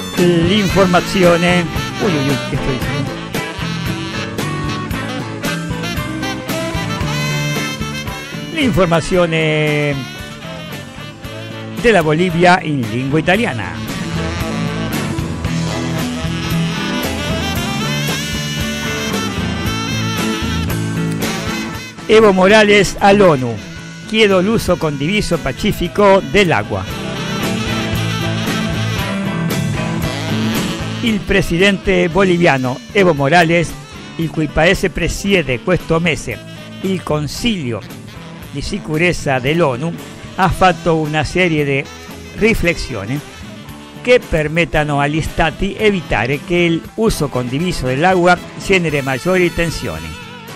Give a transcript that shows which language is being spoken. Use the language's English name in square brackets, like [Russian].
[Italian] Informazione. [Spanish] Uy, uy, uy, ¿qué estoy diciendo? [Italian] L'informazione della Bolivia in lingua italiana. [Spanish] Evo Morales al ONU: quiero el uso condiviso pacífico del agua. [Italian] Il presidente boliviano Evo Morales, il cui paese presiede questo mese il Consiglio di Sicurezza dell'ONU, ha fatto una serie di riflessioni che permettano agli stati evitare che il uso condiviso dell'acqua genere maggiori tensioni.